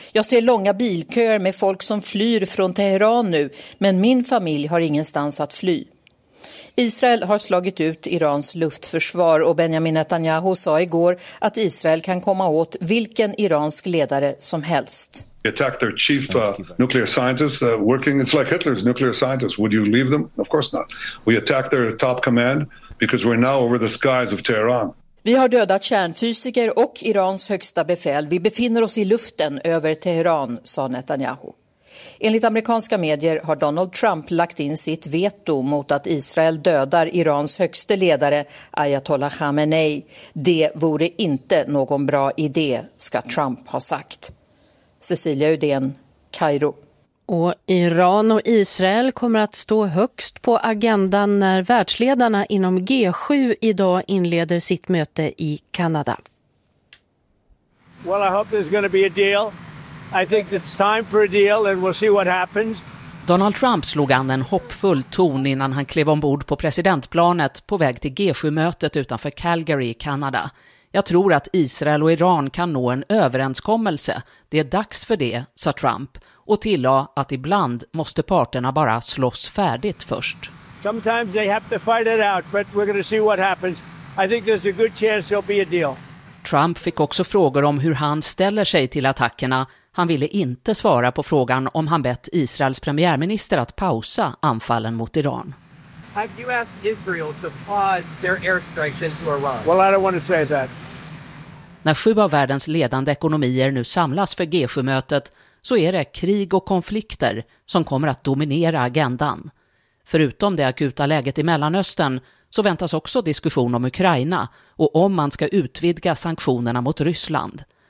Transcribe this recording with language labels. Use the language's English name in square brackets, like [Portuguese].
[Swedish] Jag ser långa bilköer med folk som flyr från Teheran nu, men min familj har ingenstans att fly. Israel har slagit ut Irans luftförsvar och Benjamin Netanyahu sa igår att Israel kan komma åt vilken iransk ledare som helst. [English] Attack their chief nuclear scientist working. It's like Hitler's nuclear scientist. Would you leave them? Of course not. We attack their top command because we're now over the skies of Tehran. [Swedish] Vi har dödat kärnfysiker och Irans högsta befäl. Vi befinner oss i luften över Teheran, sa Netanyahu. Enligt amerikanska medier har Donald Trump lagt in sitt veto mot att Israel dödar Irans högste ledare Ayatollah Khamenei. Det vore inte någon bra idé, ska Trump ha sagt. Cecilia Udén, Kairo. Och Iran och Israel kommer att stå högst på agendan när världsledarna inom G7 idag inleder sitt möte i Kanada. [English] Well, I hope there's going to be a deal. I think it's time for a deal and we'll see what happens. [Swedish] Donald Trump slog an en hoppfull ton innan han klev ombord på presidentplanet på väg till G7-mötet utanför Calgary i Kanada. Jag tror att Israel och Iran kan nå en överenskommelse. Det är dags för det, sa Trump, och tillade att ibland måste parterna bara slåss färdigt först. [English] Sometimes they have to fight it out, but we're going to see what happens. I think there's a good chance there'll be a deal. [Swedish] Trump fick också frågor om hur han ställer sig till attackerna. Han ville inte svara på frågan om han bett Israels premiärminister att pausa anfallen mot Iran. [English] Have you asked Israel to pause their airstrikes into Iran? Well, I don't want to say that. [Swedish] När sju av världens ledande ekonomier nu samlas för G7-mötet så är det krig och konflikter som kommer att dominera agendan. Förutom det akuta läget i Mellanöstern så väntas också diskussion om Ukraina och om man ska utvidga sanktionerna mot Ryssland.